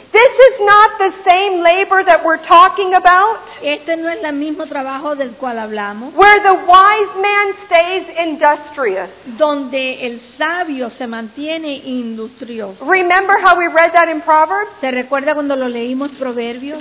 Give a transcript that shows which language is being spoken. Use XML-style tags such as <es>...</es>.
<en>This is not the same labor that we're talking about.</en> <es>Este no es el mismo trabajo del cual hablamos.</es> <en>Where the wise man stays industrious.</en> <es>Donde el sabio se mantiene industrioso.</es> <en>Remember how we read that in Proverbs?</en> <es>¿Te recuerda cuando lo leímos Proverbios?</es>